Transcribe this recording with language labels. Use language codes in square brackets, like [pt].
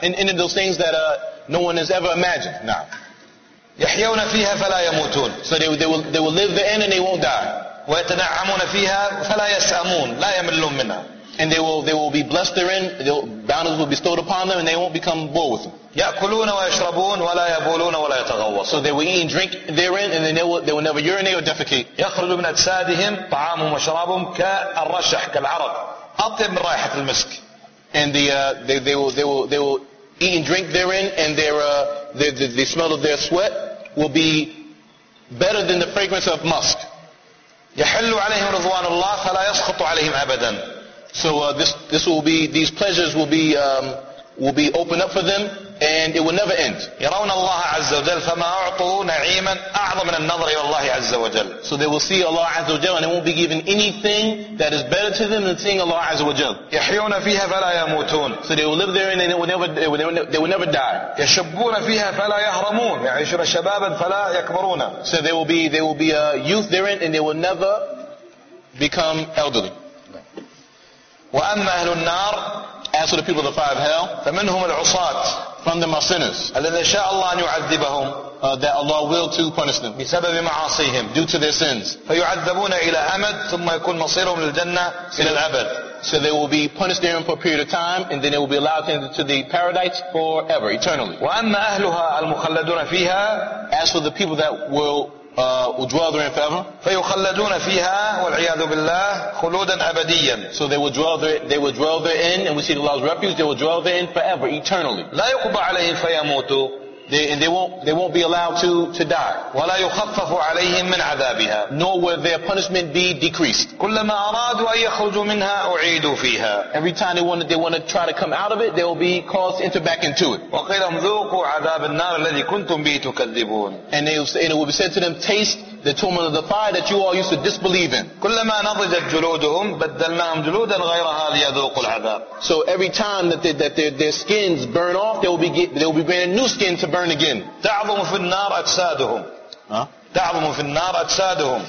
[en] In those things that no one has ever imagined. [ar] نعم. يحيون فيها فلا يموتون. [en] So they will live therein and they won't die. [ar] ويتنعمون فيها فلا يسأمون لا يملون منها. [en] And they will be blessed therein. Bounties will be bestowed upon them and they won't become bored with them. [ar] يأكلون ويشربون ولا يبولون ولا يتغوص. [en] So they will eat and drink therein and then they will never urinate or defecate. [ar] يخرج من أجسادهم طعامهم وشرابهم كالرشح كالعرق أطيب من رائحة المسك. [en] And they will eat and drink therein, and the smell of their sweat will be better than the fragrance of musk. [ar] يحلوا عليهم رضوان الله فلا يسخط عليهم أبدا. [en] So this will be, these pleasures will be opened up for them, and it will never end. [ar] يرون الله عز وجل فما أعطوا نعيما أعظم من النظر إلى الله عز وجل. [en] So they will see Allah عز وجل, and they won't be given anything that is better to them than seeing Allah عز وجل. [ar] يحيون فيها فلا يموتون. [en] So they will live there and they will never die. [ar] يشبون فيها فلا يهرمون. يعيشون شبابا فلا يكبرون. [en] So they will be a youth therein, and they will never become elderly. [ar] وأما أهل النار, [en] as for the people of the fire of hell, [ar] فمنهم العصاة, [en] from them are sinners, [ar] الذين شاء الله أن يعذبهم, [en] that Allah will to punish them, [ar] بسبب معاصيهم, [en] due to their sins, [ar] فيعذبون إلى أمد, ثم يكون مصيرهم للجنة إلى الأبد. [en] So they will be punished therein for a period of time, and then they will be allowed into the paradise forever, eternally. [ar] وأما أهلها المخلدون فيها, [en] as for the people that will dwell therein forever, [ar] فيخلدون فيها والعياذ بالله خلودا أبديا. [en] So they will dwell therein, and we see Allah's refuge. They will dwell therein forever, eternally. [ar] لا يقبى عليهم فيموتوا. [en] They won't be allowed to die. [ar] ولا يخفف عليهم من عذابها. [en] Nor will their punishment be decreased. [ar] كلما أرادوا أن يخرجوا منها أعيدوا فيها. [en] Every time they want to try to come out of it, they will be caused into back into it. [ar] وقيلهم ذوقوا عذاب النار الذي كنتم به تكذبون. [en] And it will be said to them, taste the torment of the fire that you all used to disbelieve in. [ar] كلما نضجت جلودهم بدلناهم جلودا غيرها ليذوقوا العذاب. [en] So every time that their skins burn off, they will be granted new skin to burn again. [ar] تعظم في النار أجسادهم. تعظم في النار أجسادهم.